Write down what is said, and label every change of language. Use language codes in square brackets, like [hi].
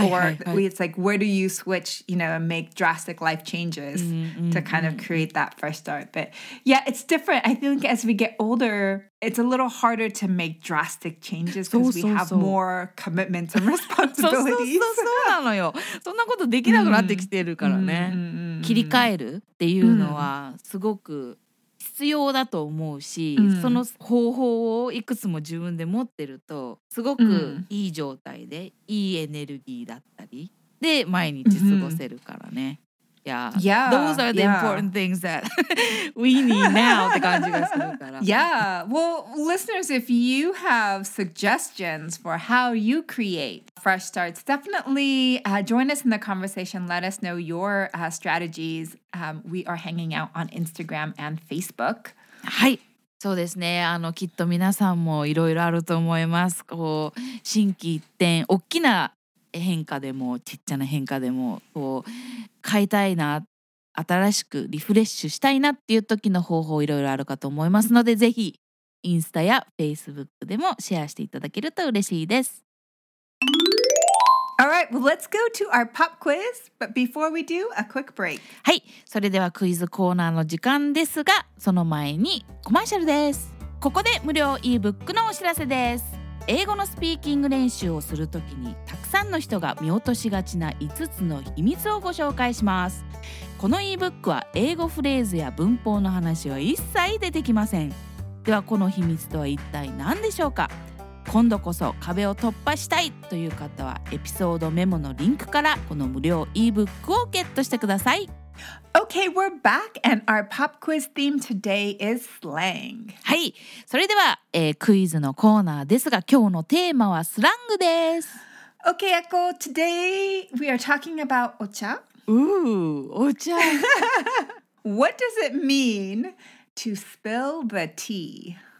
[en] It's like, where do you switch, you know, and make drastic life changes to kind of create that fresh start? But yeah, it's different. I think as we get older, it's a little harder to make drastic changes because we have more commitments and responsibilities. [ja] そうなのよ。そんなことできなくなってきてるからね。切り替えるっていうのはすごく必要だと思うし、その方法をいくつも自分で持ってるとすごくいい状態でいいエネルギーだったりで毎日過ごせるからね。 [en] Yeah. Yeah, those are the important things that we need now. Yeah, well, listeners, if you have suggestions for how you create fresh starts, definitely join us in the conversation. Let us know your strategies. We are hanging out on Instagram and Facebook. Hi. [ja] そうですね、あのきっと皆さんもいろいろあると思います。こう心機一転、大きな変化でもちっちゃな変化でもこう変えたいな、新しくリフレッシュしたいなっていう時の方法いろいろあるかと思いますので、ぜひインスタやフェイスブックでもシェアしていただけると嬉しいです。 [en] All right, well, let's go to our pop quiz, but before we do, a quick break. [ja] はい、それではクイズコーナーの時間ですが、その前にコマーシャルです。ここで無料 e-book のお知らせです。英語のスピーキング練習をするときにたくさんの人が見落としがちな5つの秘密をご紹介します。この e-book は英語フレーズや文法の話は一切出てきません。ではこの秘密とは一体何でしょうか。今度こそ壁を突破したいという方はエピソードメモのリンクからこの無料 e-book をゲットしてください。 [en] Okay, we're back and our pop quiz theme today is slang. [ja] はい、それではクイズのコーナーですが、今日のテーマはスラングです。 [en] Okay, Echo, today we are talking about お茶。 Ooh, お茶。 What does it mean to spill the tea?